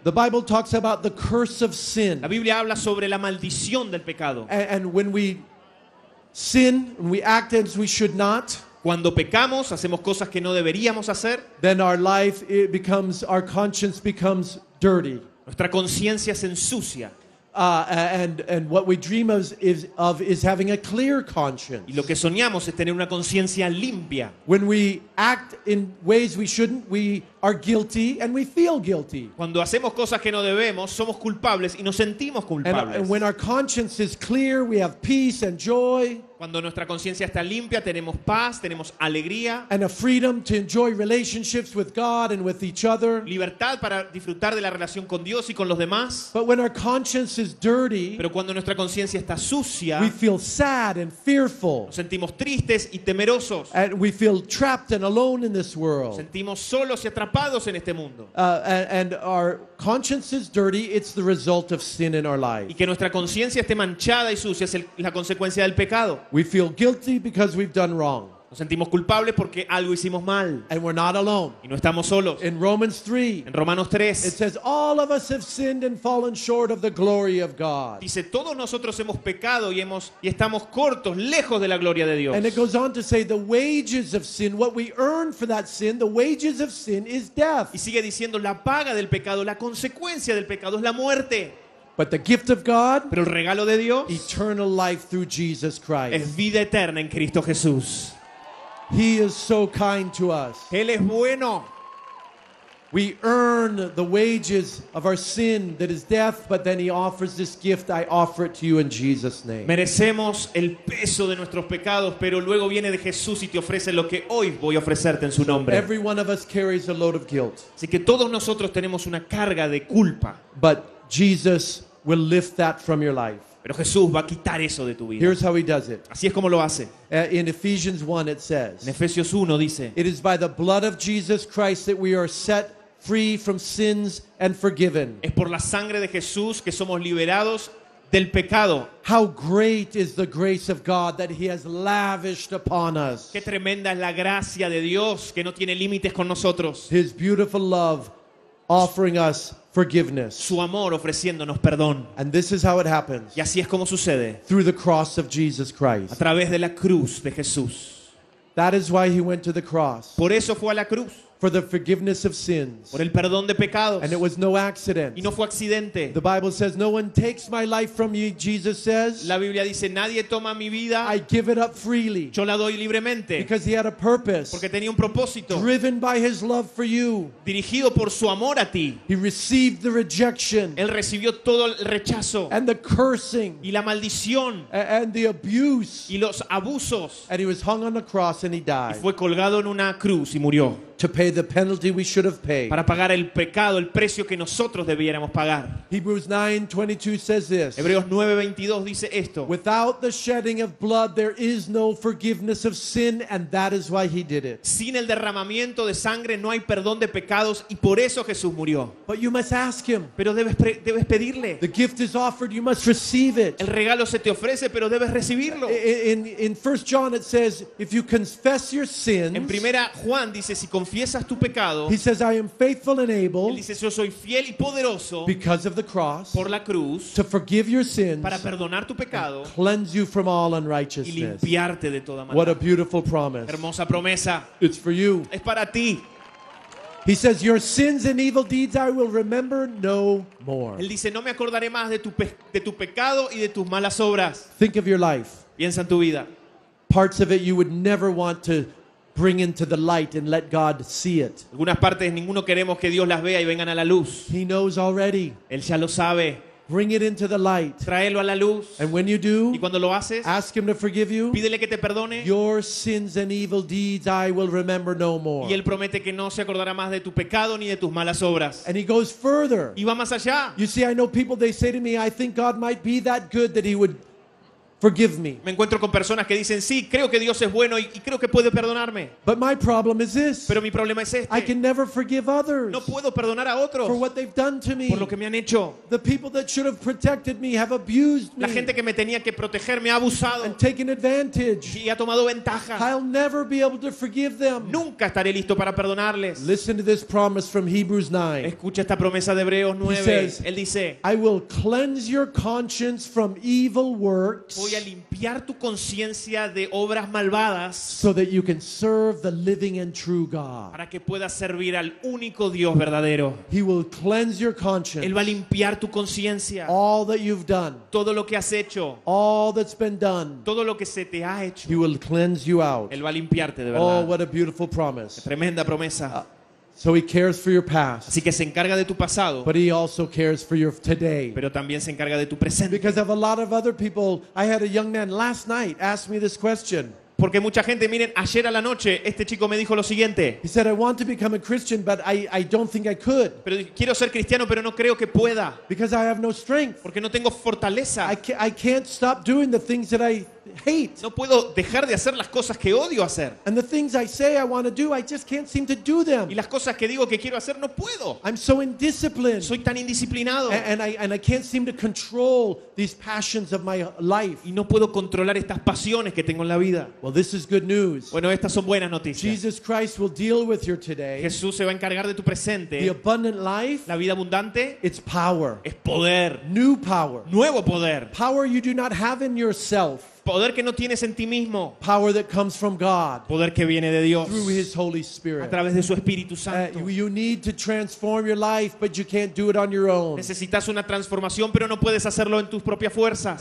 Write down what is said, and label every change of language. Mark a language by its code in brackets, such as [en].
[en] The Bible talks about the curse of sin. [es] La Biblia habla sobre la maldición del pecado. [en] And when we sin, when we act as we should not, [es] cuando pecamos, hacemos cosas que no deberíamos hacer, [en] then our life, it becomes, our conscience becomes dirty. [es] Nuestra conciencia se ensucia. [en] And what we dream of is having a clear conscience. [es] Y lo que soñamos es tener una conciencia limpia. [en] When we act in ways we shouldn't, we are guilty and we feel guilty. [es] Cuando hacemos cosas que no debemos, somos culpables y nos sentimos culpables. [en] And when our conscience is clear, we have peace and joy. [es] Cuando nuestra conciencia está limpia, tenemos paz, tenemos alegría. [en] And a freedom to enjoy relationships with God and with each other. [es] Libertad para disfrutar de la relación con Dios y con los demás. [en] But when our conscience is dirty, [es] pero cuando nuestra conciencia está sucia, [en] we feel sad and fearful. [es] Nos sentimos tristes y temerosos. [en] And we feel trapped and alone in this world. [es] Nos sentimos solos y atrapados en este mundo. [en] And our conscience is dirty, it's the result of sin in our life. [es] Y que nuestra conciencia esté manchada y sucia es la consecuencia del pecado. [en] We feel guilty because we've done wrong. [es] Nos sentimos culpables porque algo hicimos mal. [en] And we're not alone. [es] Y no estamos solos. [en] In Romans 3. [es] En Romanos 3. [en] It says all of us have sinned and fallen short of the glory of God. [es] Dice todos nosotros hemos pecado y estamos cortos, lejos de la gloria de Dios. [en] And it goes on to say the wages of sin, what we earn for that sin, the wages of sin is death. [es] Y sigue diciendo la paga del pecado, la consecuencia del pecado es la muerte. [en] But the gift of God, [es] pero el regalo de Dios, [en] eternal life through Jesus Christ, [es] es vida eterna en Cristo Jesús. [en] He is so kind to us. [es] Él es bueno. [en] We earn the wages of our sin that is death, but then he offers this gift. I offer it to you in Jesus' name. [es] Merecemos el peso de nuestros pecados, pero luego viene de Jesús y te ofrece lo que hoy voy a ofrecerte en su nombre. [en] Every one of us carries a load of guilt. [es] Así que todos nosotros tenemos una carga de culpa. [en] But Jesus will lift that from your life. [es] Pero Jesús va a quitar eso de tu vida. [en] Here's how he does it. [es] Así es como lo hace. [en] In Ephesians 1 it says, [es] en Efesios 1 dice, [en] it is by the blood of Jesus Christ that we are set free from sins and forgiven. [es] Es por la sangre de Jesús que somos liberados del pecado. [en] How great is the grace of God that he has lavished upon us. [es] Qué tremenda es la gracia de Dios que no tiene límites con nosotros. [en] His beautiful love offering us forgiveness. [es] Su amor ofreciéndonos perdón. [en] And this is how it happens. [es] Y así es como sucede. [en] Through the cross of Jesus Christ. [es] A través de la cruz de Jesús. [en] That is why he went to the cross. [es] Por eso fue a la cruz. [en] For the forgiveness of sins. [es] Por el perdón de pecados. [en] And it was no accident. [es] Y no fue accidente. [en] The Bible says, "No one takes my life from me," Jesus says. [es] La Biblia dice, "Nadie toma mi vida." [en] I give it up freely. [es] Yo la doy libremente. [en] Because he had a purpose. [es] Porque tenía un propósito. [en] Driven by his love for you. [es] Dirigido por su amor a ti. [en] He received the rejection. [es] Él recibió todo el rechazo. [en] And the cursing. [es] Y la maldición. [en] And the abuse. [es] Y los abusos. [en] And he was hung on the cross and he died. [es] Y fue colgado en una cruz y murió. [en] To pay the penalty we should have paid. [es] Para pagar el pecado, el precio que nosotros debiéramos pagar. [en] Hebrews 9:22 says this. [es] Hebreos 9:22 dice esto. [en] Without the shedding of blood, there is no forgiveness of sin, and that is why he did it. [es] Sin el derramamiento de sangre no hay perdón de pecados, y por eso Jesús murió. [en] But you must ask him. [es] Pero debes pedirle. [en] The gift is offered, you must receive it. [es] El regalo se te ofrece, pero debes recibirlo. [en] In 1 John it says, if you confess your sins. [es] En Primera Juan dice si confiesas tu pecado. [en] He says, I am faithful and able. [es] Él dice, yo soy fiel y poderoso. [en] Because of the cross. [es] Por la cruz. [en] To forgive your sins. [es] Para perdonar tu pecado. [en] And cleanse you from all unrighteousness. [es] Y limpiarte de toda maldad. [en] What a beautiful promise. [es] Hermosa promesa. [en] It's for you. [es] Es para ti. [en] He says, your sins and evil deeds I will remember no more. [es] Él dice, no me acordaré más de tu pecado y de tus malas obras. [en] Think of your life. [es] Piensa en tu vida. [en] Parts of it you would never want to bring into the light and let God see it. [es] Algunas partes ninguno queremos que Dios las vea y vengan a la luz. [en] He knows already. [es] Él ya lo sabe. [en] Bring it into the light. [es] Tráelo a la luz. [en] And when you do, [es] y cuando lo haces, [en] ask him to forgive you. [es] Pídele que te perdone. [en] Your sins and evil deeds I will remember no more. [es] Y él promete que no se acordará más de tu pecado ni de tus malas obras. [en] And he goes further. [es] Y va más allá. [en] You see, I know people, they say to me, I think God might be that good that he would forgive me. [es] Me encuentro con personas que dicen, sí, creo que Dios es bueno y creo que puede perdonarme. [en] But my problem is this. [es] Pero mi problema es este. [en] I can never forgive others. [es] No puedo perdonar a otros. [en] For what they've done to me. [es] Por lo que me han hecho. [en] The people that should have protected me have abused me. [es] La gente que me tenía que proteger me ha abusado. [en] And taken advantage. [es] Y ha tomado ventaja. [en] I'll never be able to forgive them. [es] Nunca estaré listo para perdonarles. [en] Listen to this promise from Hebrews 9. [es] Escucha esta promesa de Hebreos 9. [en] He says, [es] él dice, [en] I will cleanse your conscience from evil works. [es] Voy a limpiar tu conciencia de obras malvadas, [en] so that you can serve the living and true God. [es] Para que puedas servir al único Dios verdadero. [en] He will cleanse your conscience. [es] Él va a limpiar tu conciencia. [en] All that you've done. [es] Todo lo que has hecho. [en] All that's been done. [es] Todo lo que se te ha hecho. [en] He will cleanse you out. [es] Él va a limpiarte de verdad. [en] Oh, what a beautiful promise. [es] Qué tremenda promesa. [en] So he cares for your past. [es] Así que se encarga de tu pasado. [en] But he also cares for your today. [es] Pero también se encarga de tu presente. [en] Because of a lot of other people, I had a young man last night ask me this question. [es] Porque mucha gente, miren, ayer a la noche este chico me dijo lo siguiente. [en] He said, I want to become a Christian, but I don't think I could. [es] Pero quiero ser cristiano, pero no creo que pueda. [en] Because I have no strength. [es] Porque no tengo fortaleza. [en] I can't stop doing the things that I hate. [es] No puedo dejar de hacer las cosas que odio hacer. [en] And the things I say I want to do, I just can't seem to do them. [es] Y las cosas que digo que quiero hacer, no puedo. [en] I'm so indisciplined. [es] Soy tan indisciplinado. [en] And I can't seem to control these passions of my life. [es] Y no puedo controlar estas pasiones que tengo en la vida. [en] Well, this is good news. [es] Bueno, estas son buenas noticias. [en] Jesus Christ will deal with your today. [es] Jesús se va a encargar de tu presente. [en] The abundant life, [es] la vida abundante, [en] it's power. [es] Es poder. [en] New power. [es] Nuevo poder. [en] Power you do not have in yourself. [es] Poder que no tienes en ti mismo. [en] Power that comes from God. [es] Poder que viene de Dios. [en] Through His Holy Spirit. [es] A través de su Espíritu Santo. [en] You need to transform your life, but you can't do it on your own. [es] Necesitas una transformación, pero no puedes hacerlo en tus propias fuerzas.